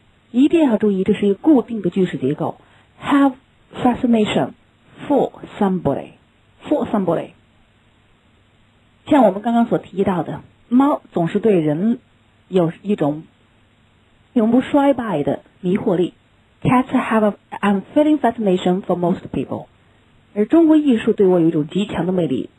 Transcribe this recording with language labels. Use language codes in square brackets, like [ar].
[zh] 一定要注意，这是一个固定的句式结构。 [en] Have fascination for somebody. For somebody. [zh] 像我们刚刚所提到的，猫总是对人有一种永不衰败的迷惑力。 [en] Cats have an unfailing fascination for most people. [zh] 而中国艺术对我有一种极强的魅力。